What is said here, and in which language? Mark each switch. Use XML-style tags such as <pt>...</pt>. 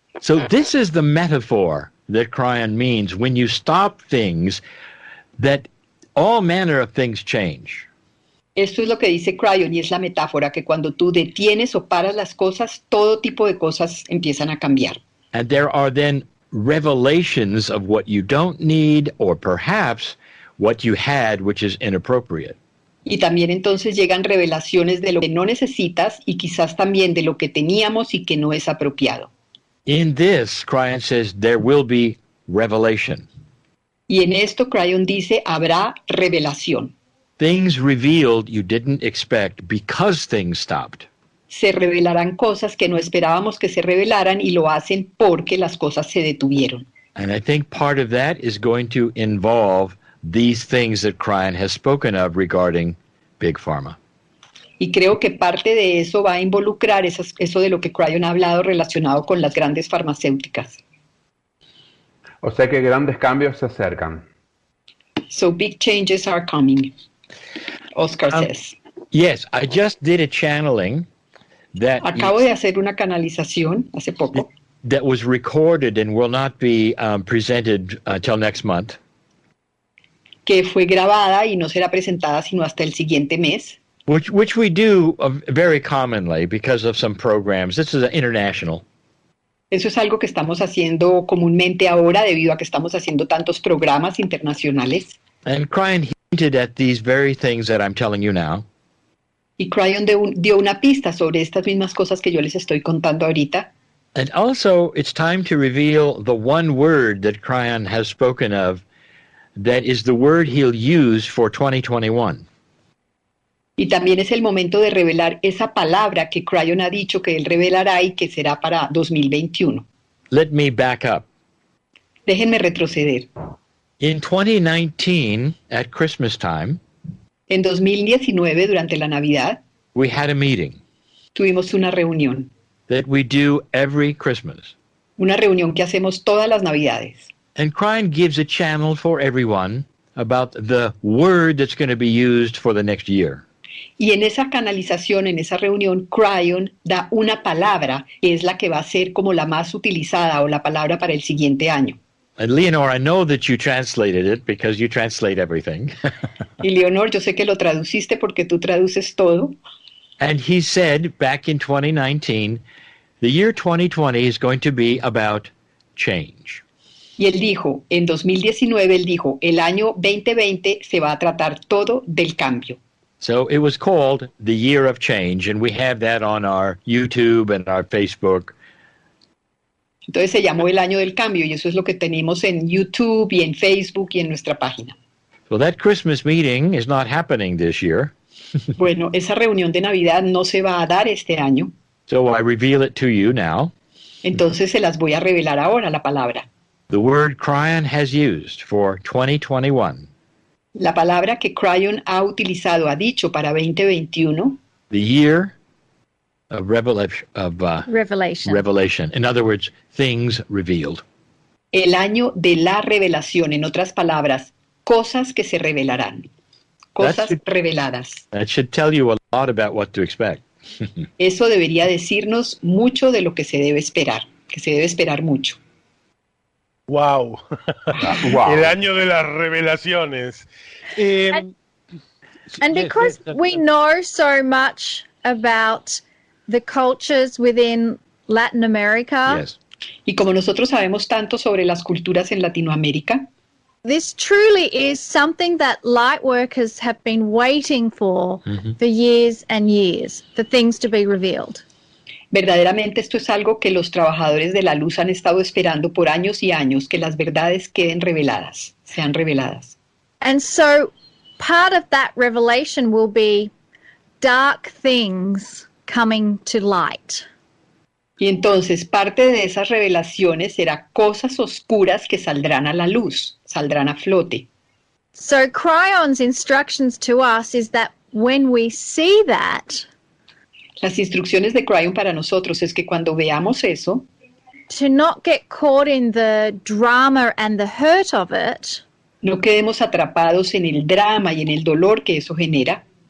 <en>So this is the metaphor that Cryon means when you stop things, that all manner of things change.</en> <es>Esto es lo que dice Cryon y es la metáfora que cuando tú detienes o paras las cosas, todo tipo de cosas empiezan a cambiar.</es> <en>And there are then revelations of what you don't need or perhaps what you had which is inappropriate.</en> <es>Y también entonces llegan revelaciones de lo que no necesitas y quizás también de lo que teníamos y que no es apropiado.</es> <en>In this, Cryon says, there will be revelation.</en> <es>Y en esto Cryon dice, habrá revelación.</es> <en>Things revealed you didn't expect because things stopped.</en> <es>Se revelarán cosas que no esperábamos que se revelaran y lo hacen porque las cosas se detuvieron.</es> <en>And I think part of that is going to involve these things that Cryon has spoken of regarding Big Pharma.</en> <es>Y creo que parte de eso va a involucrar eso de lo que Cryon ha hablado relacionado con las grandes farmacéuticas. O sea que grandes cambios se acercan.</es> <en>So big changes are coming, Oscar says. Yes, I just did a channeling that...</en> <es>Acabo de hacer una canalización hace poco.</es> <en>That was recorded and will not be presented until next month.</en> <es>Que fue grabada y no será presentada sino hasta el siguiente mes.</es> <en>Which we do very commonly because of some programs. This is international.</en> <es>Eso es algo que estamos haciendo comúnmente ahora debido a que estamos haciendo tantos programas internacionales.</es> <en>And Cryon hinted at these very things that I'm telling you now.</en> <es>Y Cryon dio una pista sobre estas mismas cosas que yo les estoy contando ahorita.</es> <en>And also, it's time to reveal the one word that Cryon has spoken of that is the word he'll use for 2021.</en> <es>Y también es el momento de revelar esa palabra que Cryon ha dicho que él revelará y que será para 2021.</es> <en>Let me back up.</en> <es>Déjenme retroceder.</es> <en>In 2019, at Christmas time,</en> <es>en 2019, durante la Navidad,</es> <en>we had a meeting.</en> <es>Tuvimos una reunión.</es> <en>That we do every Christmas.</en> <es>Una reunión que hacemos todas las Navidades.</es> <en>And Cryon gives a channel for everyone about the word that's going to be used for the next year.</en> <es>Y en esa canalización, en esa reunión, Cryon da una palabra que es la que va a ser como la más utilizada o la palabra para el siguiente año.</es> <en>And Leonor, I know that you translated it because you translate everything.</en> <es>Y Leonor, yo sé que lo traduciste porque tú traduces todo.</es> <en>And he said back in 2019, the year 2020 is going to be about change.</en> <es>Y él dijo, en 2019, él dijo, el año 2020 se va a tratar todo del cambio.</es> <en>So it was called the Year of Change, and we have that on our YouTube and our Facebook.</en> <es>Entonces se llamó el Año del Cambio, y eso es lo que tenemos en YouTube y en Facebook y en nuestra página.</es> <en>Well, that Christmas meeting is not happening this year.</en> <es>Bueno, esa reunión de Navidad no se va a dar este año.</es> <en>So I reveal it to you now.</en> <es>Entonces se las voy a revelar ahora, la palabra.</es> <en>The word Cryon has used for 2021.</en> <es>La palabra que Cryon ha utilizado, ha dicho para 2021.</es> <en>The year of revelation. Revelation. In other words, things revealed.</en> <es>El año de la revelación. En otras palabras, cosas que se revelarán. Cosas reveladas.</es> <en>That should tell you a lot about what to expect.</en> <es>Eso debería decirnos mucho de lo que se debe esperar. Que se debe esperar mucho. Wow. Wow. El año de las revelaciones.</es> <en>And because we know so much about the cultures within Latin America. Yes.</en> <es>Y como nosotros sabemos tanto sobre las culturas en Latinoamérica.</es> <en>This truly is something that lightworkers have been waiting for, mm-hmm. for years and years, for things to be revealed.</en> <es>Verdaderamente esto es algo que los trabajadores de la luz han estado esperando por años y años, que las verdades queden reveladas, sean reveladas.</es> <en>And so part of that revelation will be dark things coming to light.</en> <es>Y entonces parte de esas revelaciones será cosas oscuras que saldrán a la luz, saldrán a flote.</es> <en>So Kryon's instructions to us is that when we see that,</en> <es>las instrucciones de Kryon para nosotros es que cuando veamos eso,</es> <en>to not get caught in the drama and the hurt of it,</en> <es>no quedemos atrapados en el drama y en el dolor que eso genera,</es>